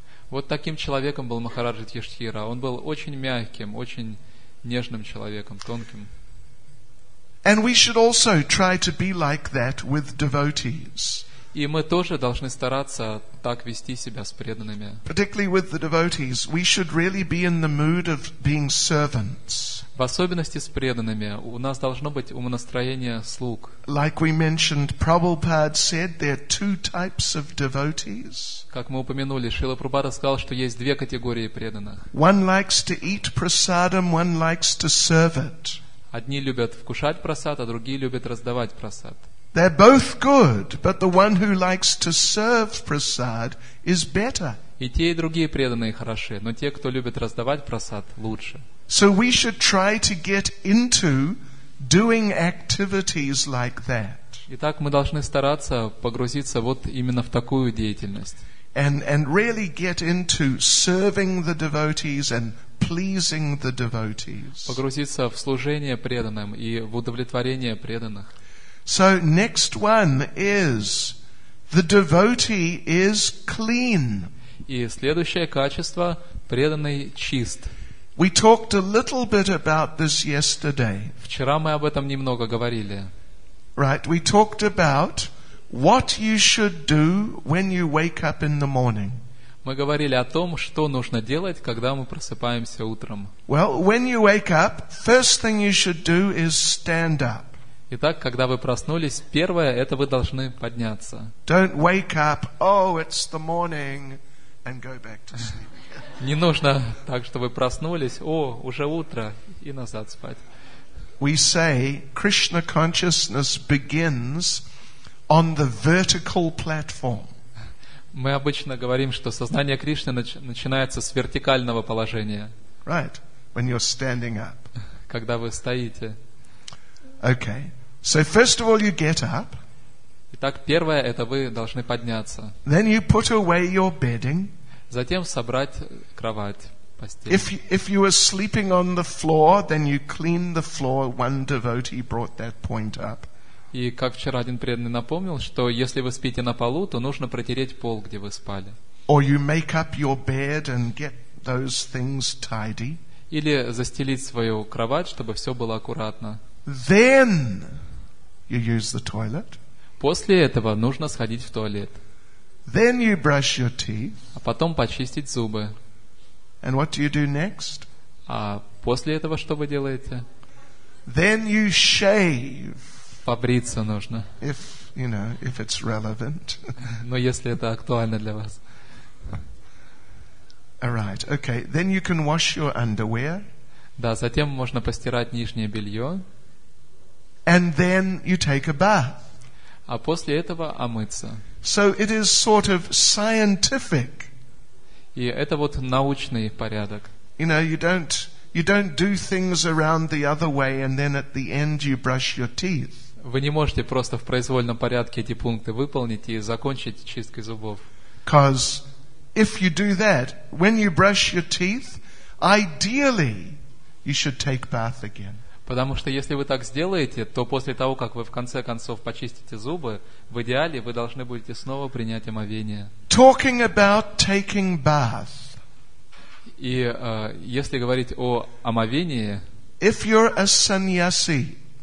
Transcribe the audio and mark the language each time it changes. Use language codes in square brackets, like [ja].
[ru] Вот таким человеком был Махараджа Юдхиштхира. Он был очень мягким, очень нежным человеком, тонким. [en] And we should also try to be like that with devotees. [ru] И мы тоже должны стараться так вести себя с преданными. [en] Particularly with the devotees, we should really be in the mood of being servants. [ru] В особенности с преданными, у нас должно быть умонастроение слуг. [en] Like we mentioned, Prabhupada said there are two types of devotees. [ru] Как мы упомянули, Шрила Прабхупада сказал, что есть две категории преданных. [en] One likes to eat prasadam, one likes to serve it. [ru] Одни любят вкушать просад, а другие любят раздавать просад. [en] They're both good, but the one who likes to serve prasad is better. [ru] И те, и другие преданные хороши, но те, кто любит раздавать просад, лучше. [en] So we should try to get into doing activities like that. [ru] Итак, мы должны стараться погрузиться вот именно в такую деятельность. [en] And really get into serving the devotees and pleasing the devotees. [ru] Погрузиться в служение преданным и в удовлетворение преданных. [en] So next one is the devotee is clean. [ru] И следующее качество — преданный чист. [en] We talked a little bit about this yesterday. [ru] Вчера мы об этом немного говорили. [en] Right, we talked about what you should do when you wake up in the morning. [ru] Мы говорили о том, что нужно делать, когда мы просыпаемся утром. [en] Well, when you wake up, first thing you should do is stand up. [ru] Итак, когда вы проснулись, первое — это вы должны подняться. [en] Don't wake up, oh, it's the morning, and go back to sleep. [ru] Не нужно так, что вы проснулись, о, уже утро, и назад спать. [en] We say Krishna consciousness begins on the vertical platform. [ru] Мы обычно говорим, что сознание Кришны начинается с вертикального положения. [en] Right, when you're standing up. [ru] Когда вы стоите. [en] Okay, so first of all you get up. [ru] Итак, первое — это вы должны подняться. [en] Then you put away your bedding. [ru] Затем собрать кровать, постель. [en] If you were sleeping on the floor, then you clean the floor. One devotee brought that point up. [ru] И как вчера один преданный напомнил, что если вы спите на полу, то нужно протереть пол, где вы спали. [en] Or you make up your bed and get those things tidy. [ru] Или застелить свою кровать, чтобы все было аккуратно. [en] Then you use the toilet. [ru] После этого нужно сходить в туалет. [en] Then you brush your teeth. [ru] А потом почистить зубы. [en] And what do you do next? [ru] А после этого что вы делаете? [en] Then you shave. [ru] Побриться нужно. [en] If, you know, if it's relevant. [ru] Но если это актуально для вас. [en] All right. Okay. Then you can wash your underwear. [ru] Да, затем можно постирать нижнее белье. [en] And then you take a bath. [ru] А после этого омыться. [en] So it is sort of scientific. [ru] И это вот научный порядок. [en] You know, you don't do things around the other way and then at the end you brush your teeth. [ru] Вы не можете просто в произвольном порядке эти пункты выполнить и закончить чисткой зубов. [en] Because if you do that, when you brush your teeth, ideally you should take bath again. [ru] Потому что если вы так сделаете, то после того, как вы в конце концов почистите зубы, в идеале вы должны будете снова принять омовение. [en] Talking about taking bath. [ru] И если говорить о омовении, [en] if you're a sannyasi,